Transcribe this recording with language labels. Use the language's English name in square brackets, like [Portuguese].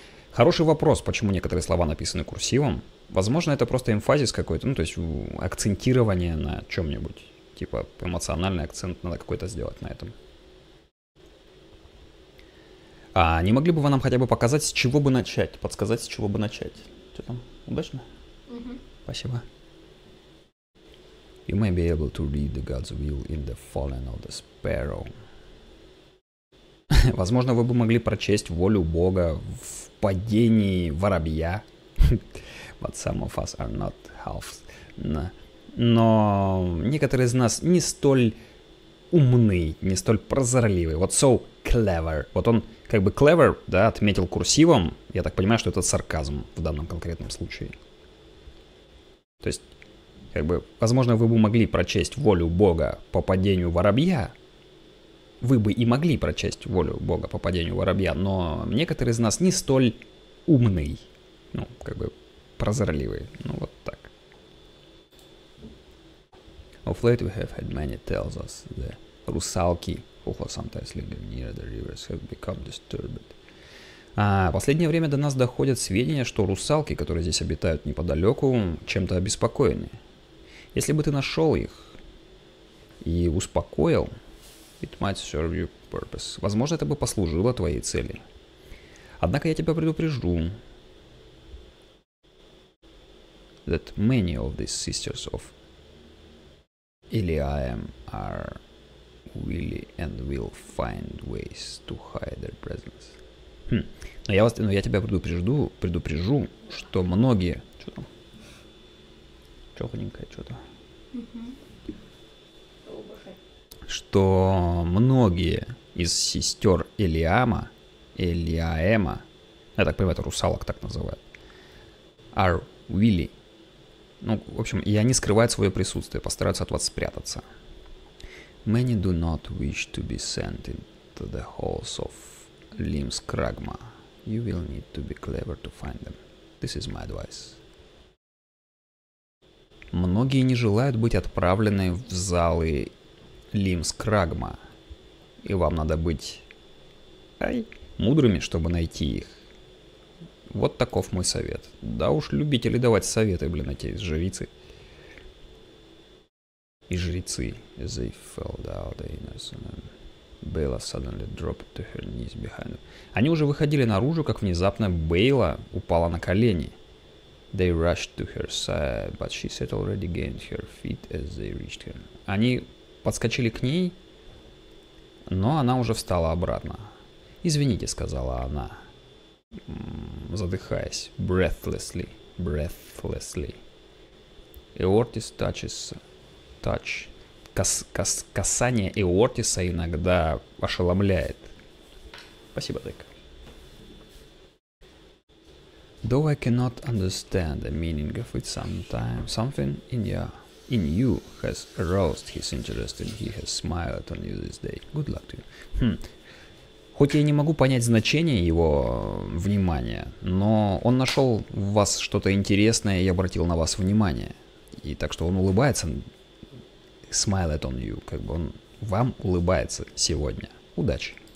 [Russian] Хороший вопрос, почему некоторые слова написаны курсивом. Возможно, это просто эмфазис какой-то, ну, то есть акцентирование на чем-нибудь. Типа эмоциональный акцент надо какой-то сделать на этом. Не могли бы вы нам хотя бы показать, с чего бы начать? Подсказать, с чего бы начать? Что там? Удачно? Mm-hmm. Спасибо. [English] You may be able to read the God's will in the falling of the sparrow. [Russian] Возможно, вы бы могли прочесть волю Бога в падении воробья. [English] But some of us are not half... [Russian] Но некоторые из нас не столь умны, не столь прозорливы. Вот [English] so clever. [Russian] Вот он как бы clever, да, отметил курсивом. Я так понимаю, что это сарказм в данном конкретном случае. То есть, как бы, возможно, вы бы могли прочесть волю Бога по падению воробья. Вы бы и могли прочесть волю Бога по падению воробья. Но некоторые из нас не столь умны, ну, как бы, прозорливы. Ну, вот так. [English] Of late we have had many tales as the русалки, who sometimes live near the rivers, have become disturbed. [Russian] Последнее время до нас доходят сведения, что русалки, которые здесь обитают неподалеку, чем-то обеспокоены. Если бы ты нашел их и успокоил, [English] it might serve your purpose. [Russian] Возможно, это бы послужило твоей цели. Однако я тебя предупрежу. [English] that many of these sisters of Eliam are willing and will find ways to hide their presence. [Russian] Но я вас, ну, я тебя предупрежу, что многие... Что там? Чёхненькое что-то. Что многие из сестер Элиама, Элиаэма, я так понимаю, это русалок так называют, [English] are willing. [Russian] Ну, в общем, и они скрывают свое присутствие, постараются от вас спрятаться. [English] Many do not wish to be sent into the halls of Lim's Kragma. You will need to be clever to find them. This is my advice. [Russian] Многие не желают быть отправлены в залы Лимс Крагма. И вам надо быть мудрыми, чтобы найти их. Вот таков мой совет. Да уж, любители давать советы, блин, эти жрицы. И жрицы. [English] As they fell down, the innocent. Бейла suddenly dropped to her knees behind them. [Russian] Они уже выходили наружу, как внезапно Бейла упала на колени. [English] They rushed to her side, but she had already gained her feet as they reached her. [Russian] Они подскочили к ней, но она уже встала обратно. Извините, сказала она, задыхаясь. [English] Breathlessly. Эортис touches. Touch. [Russian] Касание Эортиса иногда ошеломляет. Спасибо, Дэк. [English] Though I cannot understand the meaning of it sometimes, something in you has aroused his interest and he has smiled on you this day. Good luck to you. [Russian] Хоть я не могу понять значение его внимания, но он нашел в вас что-то интересное и обратил на вас внимание. И так что он улыбается, [English] smiled on you, [Russian] как бы он вам улыбается сегодня. Удачи.